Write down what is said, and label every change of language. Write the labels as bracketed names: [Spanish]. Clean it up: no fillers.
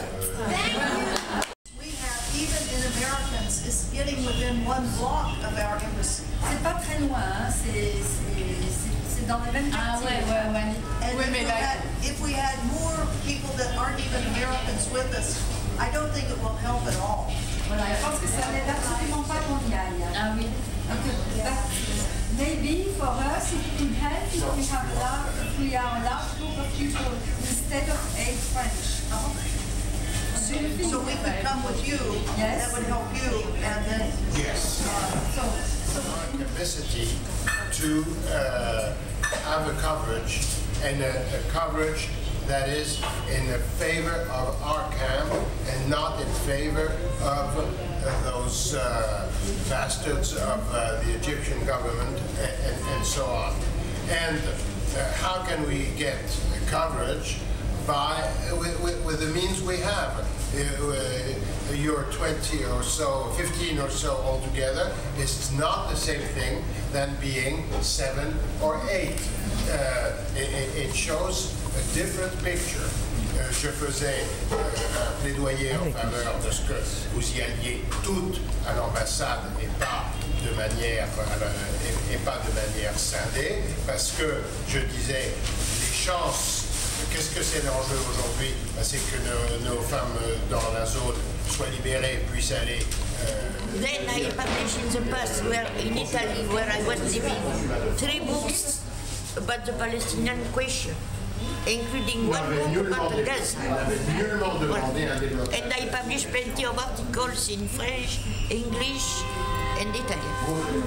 [English] Thank you. We have even in Americans is getting within one block of our embassy. [French] C'est pas très loin. C'est dans le même quartier. Ah ouais, ouais, ouais. [English] And if we had more people that aren't even Americans with us, I don't think it will help at all. [French] Voilà, je pense que ça n'aide absolument pas qu'on y aille. Ah oui. [English] Okay. Yeah. Maybe for us it can help if we have a large group of people instead of eight French. Oh. So we could come with you. Yes. That would help you. And then yes. So our capacity to have a coverage and a coverage that is in the favor of our camp and not in favor of those bastards of the Egyptian government and so on. And how can we get coverage? By with the means we have. You're 20 or so, 15 or so altogether. It's not the same thing than being seven or eight. It shows a different picture. [French] Je faisais un plaidoyer en faveur de ce que vous y alliez toutes à l'ambassade et pas de manière scindée, parce que je disais les chances. Qu'est-ce que c'est l'enjeu aujourd'hui? C'est que nos femmes dans la zone soient libérées, puissent aller. [English] Then I published in the past where in Italy where I was living three books about the Palestinian question, including one book about the Gaza. And I published plenty of articles in French, English, and Italian.